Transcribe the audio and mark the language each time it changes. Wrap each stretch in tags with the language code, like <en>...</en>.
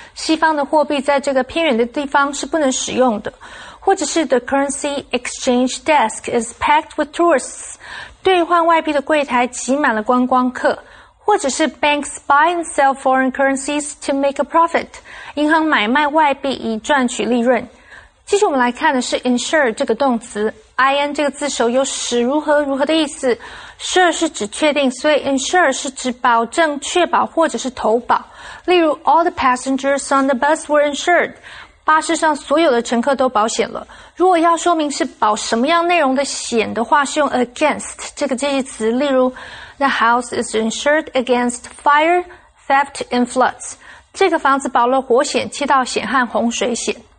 <zh>西方的货币在这个偏远的地方是不能使用的。或者是</zh> <en>the currency exchange desk is packed with tourists.</en> <zh>兑换外币的柜台挤满了观光客。或者是</zh> <en>banks buy and sell foreign currencies to make a profit.</en> <zh>银行买卖外币以赚取利润。继续我们来看的是 insure 这个动词。 IN 这个字首有使如何如何的意思。 Sure 是指确定，所以 insure 是指保证、确保或者是投保。例如</zh> <en>all the passengers on the bus were insured.</en> <zh>巴士上所有的乘客都保险了。如果要说明是保什么样内容的险的话，是用 against 这个介系词。例如</zh> <en>，The house is insured against fire, theft, and floods.</en> <zh>这个房子保了火险、气道险和洪水险。</zh>